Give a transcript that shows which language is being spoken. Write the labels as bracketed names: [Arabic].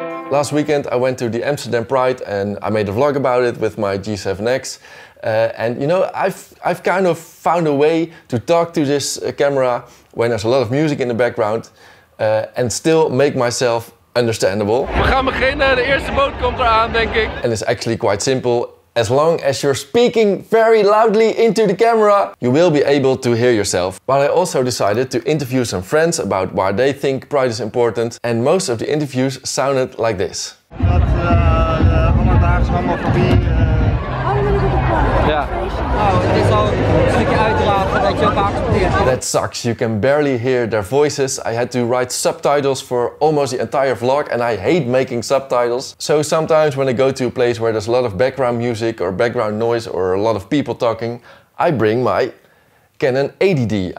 [English] Last weekend I went to the Amsterdam Pride and I made a vlog about it with my G7X. And you know, I've kind of found a way to talk to this camera when there's a lot of music in the background and still make myself understandable. [Dutch] We gaan beginnen, de eerste boot komt eraan, denk ik. [English] And it's actually quite simple. As long as you're speaking very loudly into the camera, you will be able to hear yourself. But I also decided to interview some friends about why they think Pride is important. And most of the interviews sounded like this. Dat de alledaags allemaal voor wie... That sucks, you can barely hear their voices. I had to write subtitles for almost the entire vlog and I hate making subtitles. So sometimes when I go to a place where there's a lot of background music or background noise or a lot of people talking, I bring my Canon 80D.